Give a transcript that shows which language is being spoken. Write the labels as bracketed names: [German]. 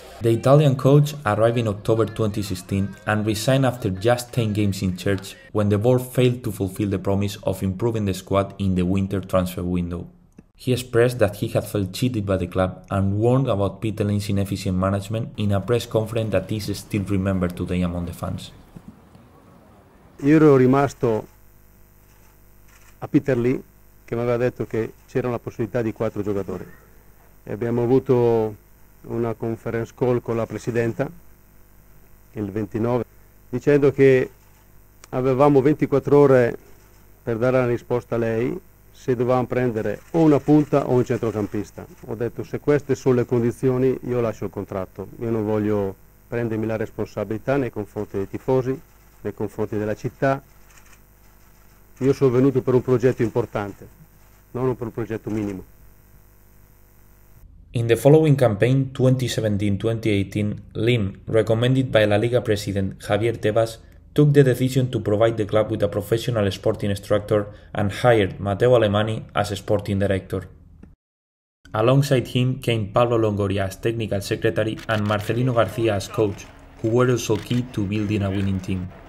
[English] The Italian coach arrived in October 2016 and resigned after just 10 games in charge when the board failed to fulfill the promise of improving the squad in the winter transfer window. He expressed that he had felt cheated by the club and warned about Peter Lim's inefficient management in a press conference that is still remembered today among the fans. [Italian] Io ero rimasto a Peter Lim che mi aveva detto che c'era una possibilità di quattro giocatori. E abbiamo avuto una conference call con la presidenta il 29 dicendo che avevamo 24 ore per dare la risposta a lei se dovevamo prendere o una punta o un centrocampista. Ho detto se queste sono le condizioni io lascio il contratto, io non voglio prendermi la responsabilità nei confronti dei tifosi, nei confronti della città. Io sono venuto per un progetto importante, non per un progetto minimo. [English] In the following campaign, 2017-2018, Lim, recommended by La Liga president Javier Tebas, took the decision to provide the club with a professional sporting instructor and hired Matteo Alemani as a sporting director. Alongside him came Pablo Longoria as technical secretary and Marcelino García as coach, who were also key to building a winning team.